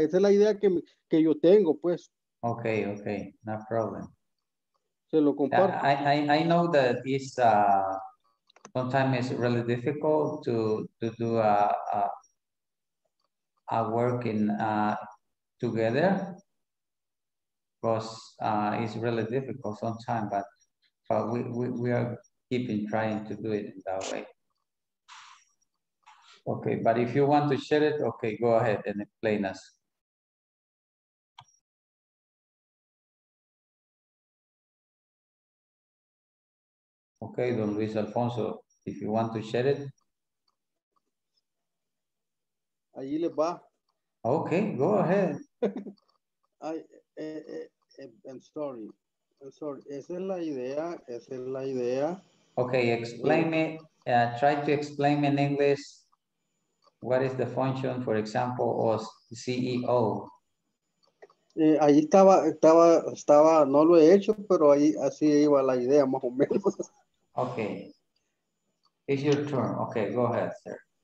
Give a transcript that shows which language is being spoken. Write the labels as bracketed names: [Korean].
[Spanish] Esa es la idea que yo tengo, pues. [English] Okay, okay, no problem. [Spanish] Se lo comparto. [English] I know that it's sometimes it's really difficult to do a work in together, because it's really difficult sometimes, but we are keeping trying to do it in that way. Okay, but if you want to share it, okay, go ahead and explain us. Okay, Don Luis Alfonso, if you want to share it. [Spanish] Ahí le va. [English] Okay, go ahead. I'm sorry. [Spanish] Esa es la idea. [English] Okay, explain me. Try to explain in English what is the function, for example, of CEO. [Spanish] Ahí estaba, no lo he hecho, pero ahí así iba la idea, más o menos. [English] Okay, it's your turn. Okay, go ahead, sir.